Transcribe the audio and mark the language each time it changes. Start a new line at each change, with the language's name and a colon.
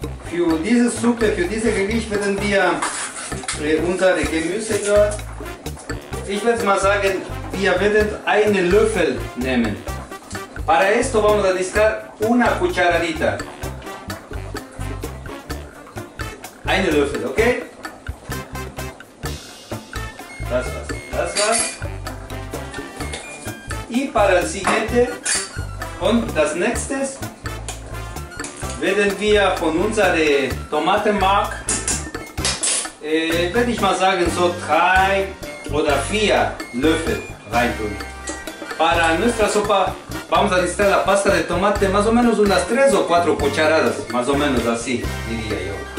German: Für diese Suppe, für diese Gericht werden wir unsere Gemüse dort. Ich würde mal sagen, wir werden einen Löffel nehmen.
Spanish: Para esto vamos a necesitar una cucharadita.
German: Einen Löffel, okay? Das war's.
Spanish: Y para el siguiente.
German: Und das nächste werden wir von unserer Tomatenmark, würde ich mal sagen, so 3 oder 4 Löffel reintun.
Spanish: Para nuestra sopa vamos a necesitar la pasta de tomate, más o menos unas 3 o 4 cucharadas, más o menos así diría yo.